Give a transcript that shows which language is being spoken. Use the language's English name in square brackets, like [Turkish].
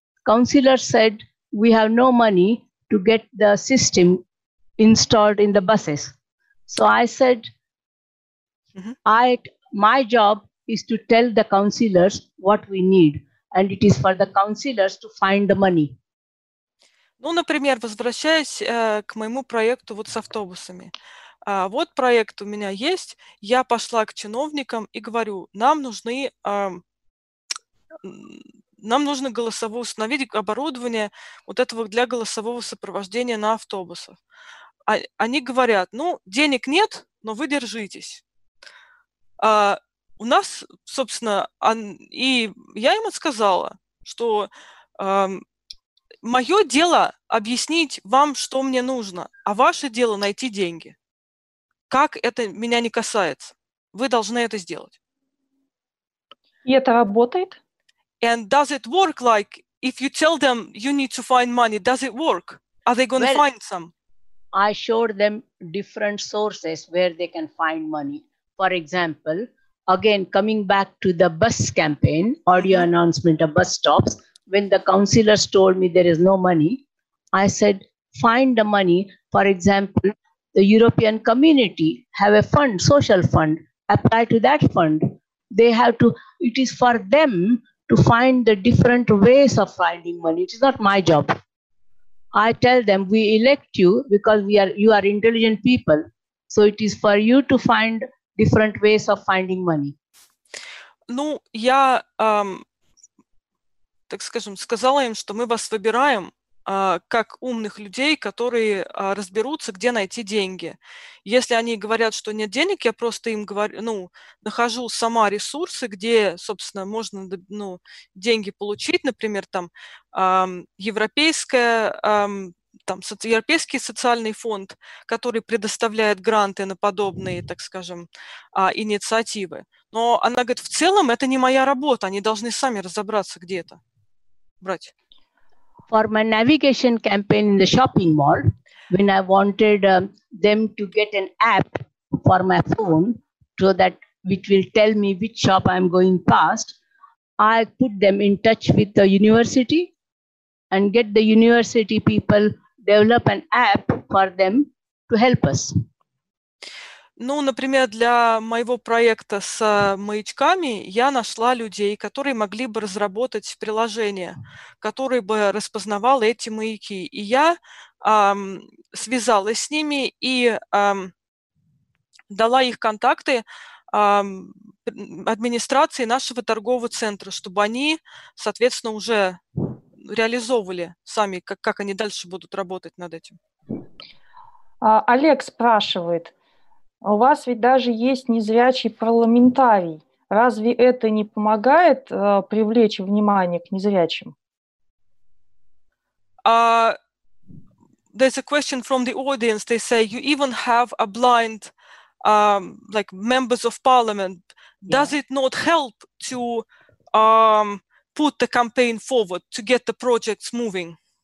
[English] Councillors said, we have no money to get the system installed in the buses. So I said, my job is to tell the councillors what we need. And it is for the councillors to find the money. [Russian] Ну, например, возвращаясь к моему проекту вот с автобусами. Вот проект у меня есть. Я пошла к чиновникам и говорю, нам нужно голосовое установить оборудование вот этого для голосового сопровождения на автобусах. Они говорят, ну, денег нет, но вы держитесь. У нас, собственно, и я ему сказала, что мое дело объяснить вам, что мне нужно, а ваше дело найти деньги. Как это меня не касается. Вы должны это сделать. И это работает? [English] And does it work, like, if you tell them you need to find money, does it work? Are they going to find some? I showed them different sources where they can find money. For example, again, coming back to the bus campaign, audio announcement of bus stops, when the councillors told me there is no money, I said, find the money. For example, the European community have a fund, social fund, apply to that fund. They have to, it is for them to find the different ways of finding money. It is not my job. I tell them, we elect you because you are intelligent people. So it is for you to find different ways of finding money. [Russian] Ну, я, так скажем, сказала им, что мы вас выбираем как умных людей, которые разберутся, где найти деньги. Если они говорят, что нет денег, я просто им говорю, ну, нахожу сама ресурсы, где, собственно, можно, ну, деньги получить, например, там, европейская... Там Европейский социальный фонд, который предоставляет гранты на подобные, так скажем, инициативы. Но она говорит, в целом это не моя работа, они должны сами разобраться, где это брать. [English] For my navigation campaign in the shopping mall, when I wanted them to get an app for my phone, so that it will tell me which shop I'm going past, I put them in touch with the university and get the university people develop an app for them to help us. [Russian] Ну, например, для моего проекта с маячками я нашла людей, которые могли бы разработать приложение, которое бы распознавало эти маяки. И я связалась с ними и дала их контакты администрации нашего торгового центра, чтобы они, соответственно, уже реализовывали сами, как они дальше будут работать над этим. Олег спрашивает, у вас ведь даже есть незрячий парламентарий. Разве это не помогает привлечь внимание к незрячим? [English] There's a question from the audience. They say, you even have a blind, like, members of parliament. Does it not help to... put the campaign forward to get the projects moving?